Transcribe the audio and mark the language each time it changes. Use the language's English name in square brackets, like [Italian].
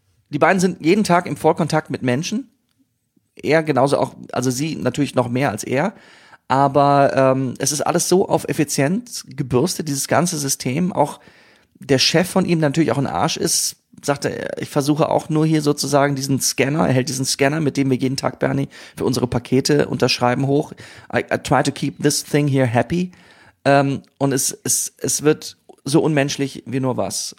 [German] Die beiden sind jeden Tag im Vollkontakt mit Menschen. Er genauso auch, also sie natürlich noch mehr als er. Aber es ist alles so auf Effizienz gebürstet, dieses ganze System. Auch der Chef von ihm, der natürlich auch ein Arsch ist, sagte, ich versuche auch nur hier sozusagen diesen Scanner, mit dem wir jeden Tag, Bernie, für unsere Pakete unterschreiben hoch. [English] I try to keep this thing here happy. [German] Und es wird so unmenschlich wie nur was.